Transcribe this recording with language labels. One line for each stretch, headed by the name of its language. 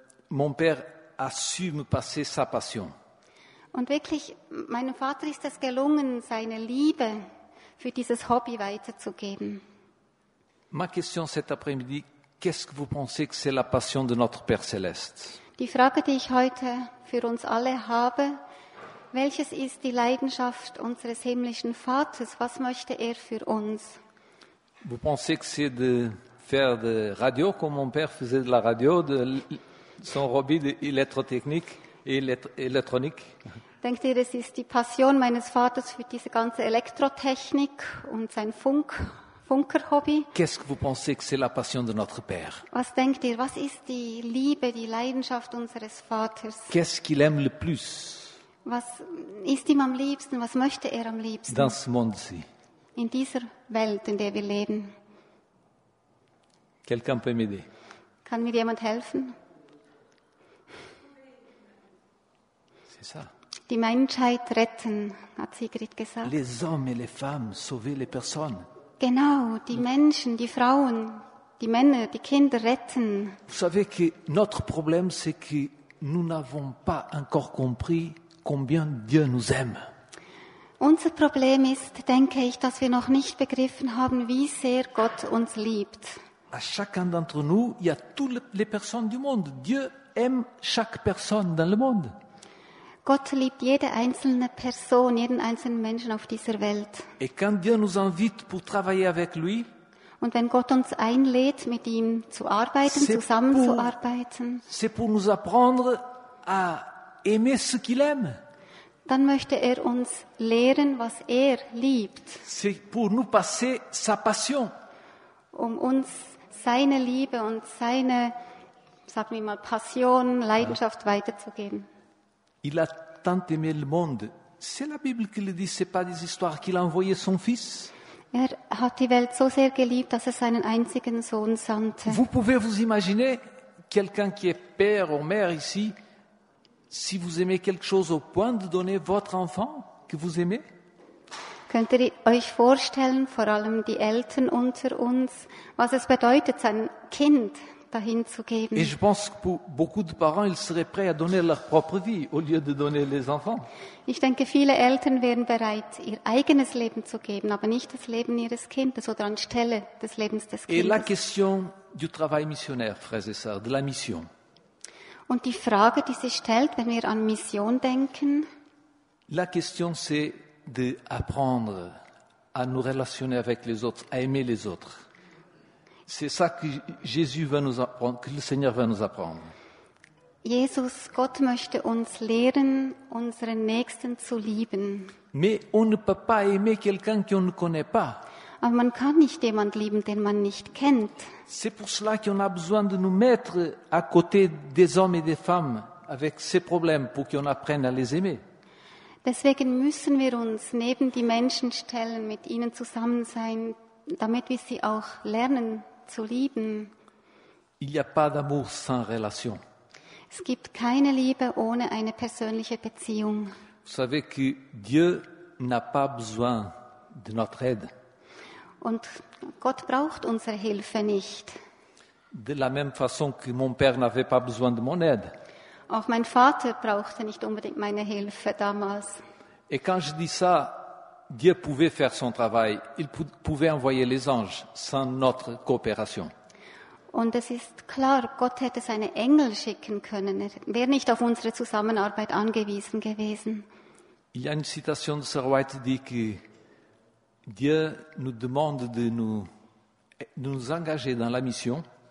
French: Mon père a su me passer sa passion.
German: Und wirklich, meinem Vater ist es gelungen, seine Liebe für dieses Hobby weiterzugeben.
French: Ma question cet après-midi. Qu'est-ce que vous pensez que c'est la passion de notre Père Céleste?
German: Die Frage, die ich heute für uns alle habe, welches ist die Leidenschaft unseres himmlischen Vaters? Was möchte er für uns?
French: Vous pensez que c'est de faire de radio comme mon père faisait de la radio, de son hobby d'électrotechnique et électronique?
German: Denkt ihr, es ist die Passion meines Vaters für diese ganze Elektrotechnik und sein Funk? Funker-Hobby.
French: Qu'est-ce que vous pensez que c'est la passion de notre Père?
German: Was denkt ihr, was ist die Liebe, die Leidenschaft unseres Vaters?
French: Qu'est-ce qu'il aime le plus?
German: Was ist ihm am liebsten, was möchte er am liebsten?
French: Dans ce monde-ci.
German: In dieser Welt, in der wir leben.
French: Quelqu'un peut m'aider?
German: Kann mir jemand helfen?
French: C'est ça.
German: Die Menschheit retten, hat Sigrid gesagt.
French: Les hommes et les femmes, sauver les personnes.
German: Genau, die Menschen, die Frauen, die Männer, die Kinder retten.
French: Vous savez que notre problème, c'est que nous n'avons pas encore compris combien Dieu nous aime.
German: Unser Problem ist, denke ich, dass wir noch nicht begriffen haben, wie sehr Gott uns liebt.
French: À chacun d'entre nous, il y a toutes les personnes du monde. Dieu aime chaque personne dans le monde.
German: Gott liebt jede einzelne Person, jeden einzelnen Menschen auf dieser Welt.
French: Et quand Dieu nous invite pour travailler avec lui,
German: und wenn Gott uns einlädt, mit ihm zu arbeiten, zusammenzuarbeiten,
French: c'est pour nous apprendre à aimer ce qu'il aime.
German: Dann möchte er uns lehren, was er liebt.
French: C'est pour nous passer sa passion.
German: Um uns seine Liebe und seine, sagen wir mal, Passion, Leidenschaft weiterzugeben.
French: Il a tant aimé le monde. C'est la Bible qui le dit, c'est pas des histoires, qu'il a envoyé son fils.
German: Er hat die Welt so sehr geliebt, dass er seinen einzigen Sohn sandte.
French: Vous pouvez vous imaginer quelqu'un qui est père ou mère ici, si vous aimez quelque chose au point de donner votre enfant que vous aimez?
German: Könnt ihr euch vorstellen, vor allem die Eltern unter uns, was es bedeutet, sein Kind dahin zu geben.
French: Et je pense que pour beaucoup de parents, ils seraient prêts à donner leur propre vie au lieu de donner les enfants.
German: Ich denke, viele Eltern wären bereit, ihr eigenes Leben zu geben, aber nicht das Leben ihres Kindes oder anstelle des Lebens des Kindes.
French: Et la question du travail missionnaire, frères et sœurs, de la mission.
German: Und die Frage, die sich stellt, wenn wir an Mission denken.
French: La question, c'est d'apprendre à nous relationner avec les autres, à aimer les autres. C'est ça que Jésus va nous apprendre, que le Seigneur va nous apprendre.
German: Jesus, Gott möchte uns lehren, unseren Nächsten zu lieben.
French: Mais on ne peut pas aimer quelqu'un qu'on ne connaît pas.
German: Aber man kann nicht jemand lieben, den man nicht kennt.
French: C'est pour cela qu'on a besoin de nous mettre à côté des hommes et des femmes avec ces problèmes pour qu'on apprenne à les aimer.
German: Deswegen müssen wir uns neben die Menschen stellen, mit ihnen zusammen sein, damit wir sie auch lernen zu lieben.
French: Il n'y a pas d'amour sans relation.
German: Es gibt keine Liebe ohne eine persönliche Beziehung.
French: Vous savez que Dieu n'a pas besoin de notre aide.
German: Und Gott braucht unsere Hilfe nicht.
French: De la même façon que mon père n'avait pas besoin de mon aide.
German: Auch mein Vater brauchte nicht unbedingt meine Hilfe damals.
French: Et quand je dis ça, Dieu pouvait faire son travail. Il pouvait envoyer les anges sans notre coopération.
German: Und es ist klar, Gott hätte seine Engel schicken können. Er wäre nicht auf unsere Zusammenarbeit angewiesen gewesen.
French: Il y a une citation de Sir White qui dit que Dieu nous demande de nous engager dans la mission.